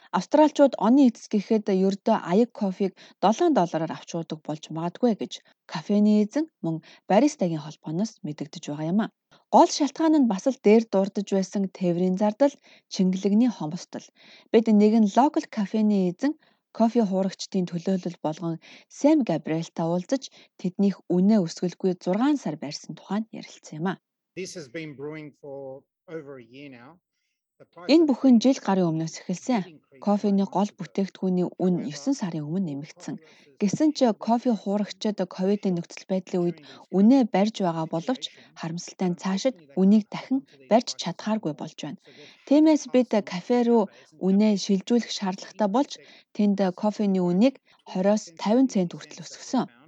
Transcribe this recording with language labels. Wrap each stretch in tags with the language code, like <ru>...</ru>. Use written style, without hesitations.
<mn>Австралчууд оны эцэс гэхэд ердөө аяг кофег 7 доллараар авч уудаг болж магадгүй гэж кофений эзэн мөн баристагийн холбооноос мэдэгдэж байгаа юм а. Гол шалтгаан нь бас л дээр дурдж байсан тээврийн зардал, чингэлэгний хомсдол. Бид нэгэн локал кофений эзэн кофе хуурагчдын төлөөлөл болгон Сэм Габриэльтай уулзаж тэднийх үнэ өсгөлгүй 6 сар байрсан тухайн ярилцсан юм а.</mn> <en>This has been brewing for over a year now.</en> <mn>Энэ бүхэн жил гарын өмнөөс эхэлсэн. Кофений гол бүтээгдэхүүний үн 9 сарын өмнө нэмэгдсэн. Гэсэн ч кофе хуурагчид ковидын нөхцөл байдлын үед үнэ барьж байгаа боловч харамсалтай нь цаашид үнийг дахин барьж чадхааргүй болж байна. Тиймээс бид кафе руу үнэ шилжүүлэх шаардлагатай болж тэнд кофений үнийг 20-50 цент хүртэл өсгөсөн.</mn>